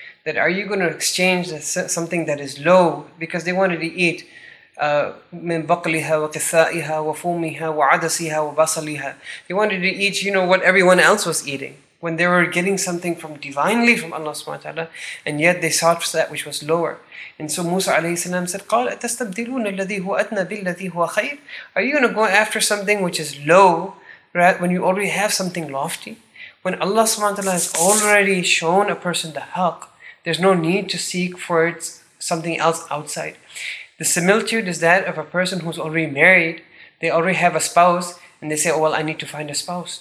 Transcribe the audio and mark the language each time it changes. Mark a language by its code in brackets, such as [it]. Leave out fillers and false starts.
[en] That are you going to exchange something that is low, because they wanted to eat [ar] مِنْ بَقْلِهَا وَكِثَائِهَا وَفُومِهَا وَعَدَسِهَا وَبَصَلِهَا. [en] They wanted to eat, you know, what everyone else was eating, when they were getting something from divinely from Allah subhanahu wa ta'ala, and yet they sought for that which was lower. And so Musa alayhi salam said, [ar] قَالْ أَتَسْتَبْدِلُونَ الَّذِي هُوَ أَدْنَى بِالَّذِي هُوَ خَيْرٍ. [en] Are you going to go after something which is low, right, when you already have something lofty? When Allah subhanahu wa ta'ala has already shown a person the haq, there's no need to seek for it something else outside. The similitude is that of a person who's already married, they already have a spouse, and they say, oh, well, I need to find a spouse.